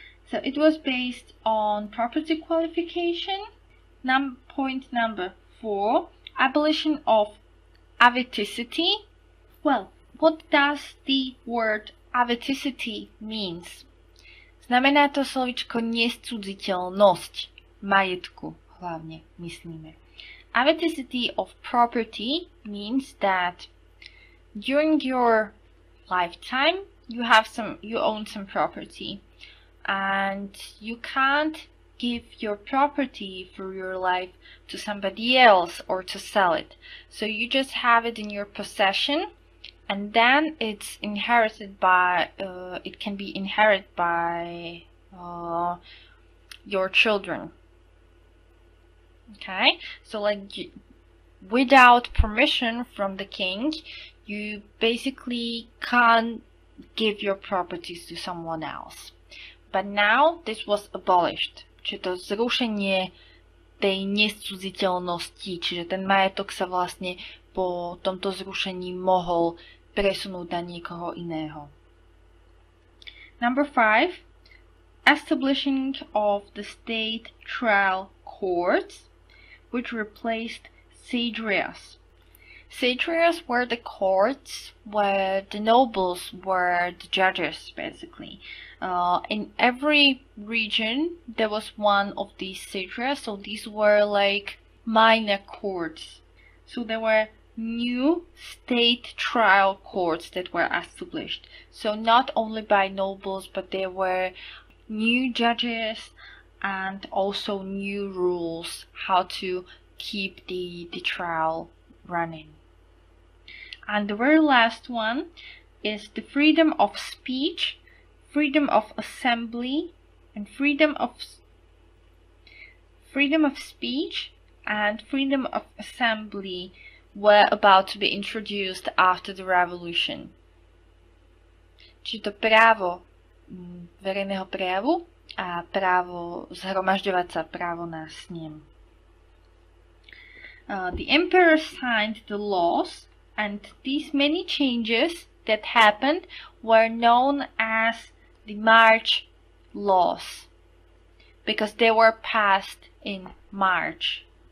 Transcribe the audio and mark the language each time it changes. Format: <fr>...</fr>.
<en>So it was based on property qualification, point number four, abolition of aviticity. Well, what does the word aviticity mean?</en> <sk>Znamená to slovičko nescudziteľnosť majetku, hlavne myslíme.</sk> <en>Aviticity of property means that during your lifetime you own some property and you can't give your property for your life to somebody else or to sell it. So you just have it in your possession and then it's inherited by it can be inherited by your children. Okay, so like without permission from the king, you basically can't give your properties to someone else. But now this was abolished.</en> <sk>Čiže to zrušenie tej nescudziteľnosti, čiže ten majetok sa vlastne po tomto zrušení mohol presunúť na niekoho iného.</sk> <en>Number 5. Establishing of the state trial courts, which replaced sedrias. Sedrias were the courts where the nobles were the judges, basically. In every region, there was one of these sedrias, so these were like minor courts. So there were new state trial courts that were established. So not only by nobles, but there were new judges and also new rules how to keep the trial running. And the very last one is the freedom of speech, freedom of assembly, and freedom of speech and freedom of assembly were about to be introduced after the revolution.</en> <sk>Či to právo verejného prejavu a právo zhromažďovať sa, právo na snem.</sk> <en>The emperor signed the laws, and these many changes that happened were known as the March laws, because they were passed in March.</en>